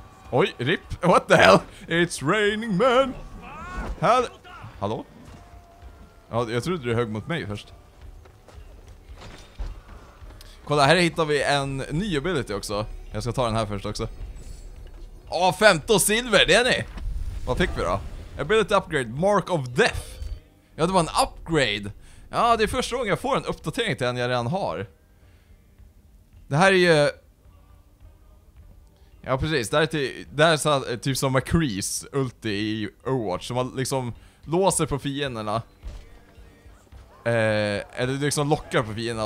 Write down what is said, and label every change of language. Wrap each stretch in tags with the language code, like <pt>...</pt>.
<en>Oj, rip. What the hell? It's raining men. Hallå?</en> <sv>Ja, jag trodde du högg mot mig först. Kolla, här hittar vi en ny ability också. Jag ska ta den här först också. Åh, 15 silver, det är ni. Vad fick vi då?</sv> <en>Ability upgrade, Mark of Death.</en> <sv>Ja, det var en upgrade. Ja, det är första gången jag får en uppdatering till den jag redan har. Det här är ju... Ja, precis. Det här är, så här, typ som McCree's ulti i Overwatch. Som man liksom låser på fienderna. Eller liksom lockar på fienderna.</sv>